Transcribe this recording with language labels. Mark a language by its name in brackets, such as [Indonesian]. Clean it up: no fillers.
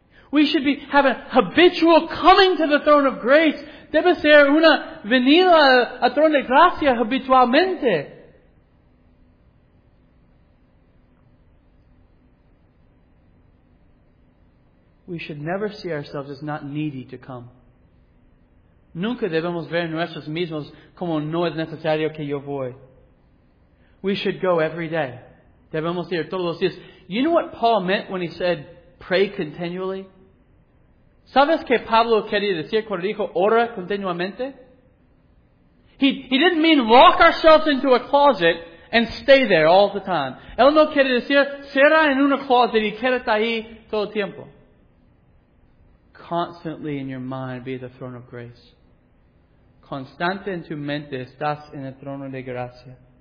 [English] We should be having habitual coming to the throne of grace. [Spanish] Debe ser una venida a trono de gracia habitualmente. [English] We should never see ourselves as not needy to come. [Spanish] Nunca debemos ver nuestros mismos como no es necesario que yo voy. [English] We should go every day. [Spanish] Debemos ir todos los días. [English] You know what Paul meant when he said, pray continually? [Spanish] ¿Sabes qué Pablo quería decir cuando dijo ora continuamente? [English] He didn't mean lock ourselves into a closet and stay there all the time. [Spanish] Él no quería decir cierra en una closet y quédate ahí todo el tiempo. [English] Constantly in your mind be the throne of grace. [Spanish] Constante en tu mente estás en el trono de gracia.